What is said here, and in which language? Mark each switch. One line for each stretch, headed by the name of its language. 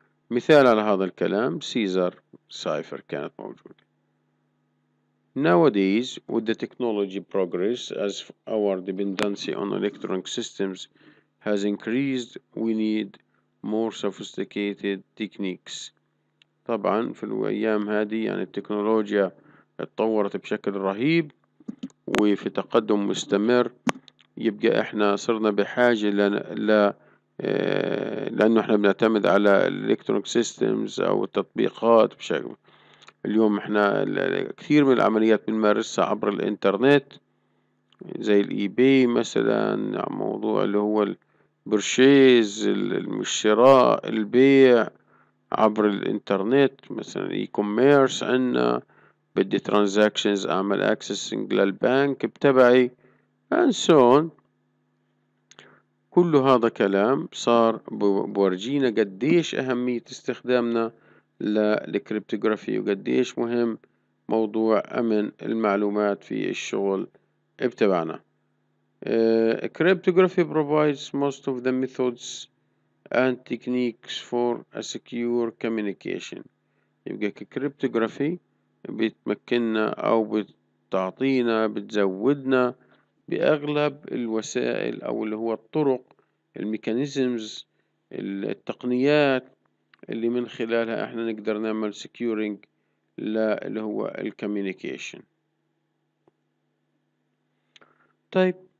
Arabic: مثال على هذا الكلام سيزر سايفر كانت موجودة.
English: Nowadays with the technology progress as our dependency on electronic systems has increased we need more sophisticated techniques.
Arabic: طبعا في الأيام هذه يعني التكنولوجيا اتطورت بشكل رهيب وفي تقدم مستمر، يبقى احنا صرنا بحاجة لأنه احنا بنعتمد على الالكترونيك سيستمز او التطبيقات بشكل. اليوم احنا كثير من العمليات بنمارسها عبر الانترنت زي الاي باي مثلا، موضوع اللي هو البرشيز الشراء البيع عبر الانترنت مثلا اي كوميرس، عندنا بدي ترانزاكشنز اعمل اكسسنج للبنك بتبعي
English: and so on.
Arabic: كل هذا كلام صار بورجينا قديش أهمية استخدامنا للكريبتوغرافي وقديش مهم موضوع أمن المعلومات في الشغل بتبعنا.
English: Cryptography provides most of the methods and techniques for a secure communication.
Arabic: يبقى الكريبتوغرافي بتمكننا أو بتعطينا بتزودنا بأغلب الوسائل أو اللي هو الطرق الميكانيزمز التقنيات اللي من خلالها احنا نقدر نعمل سكيورينج اللي هو الكوميونيكيشن. طيب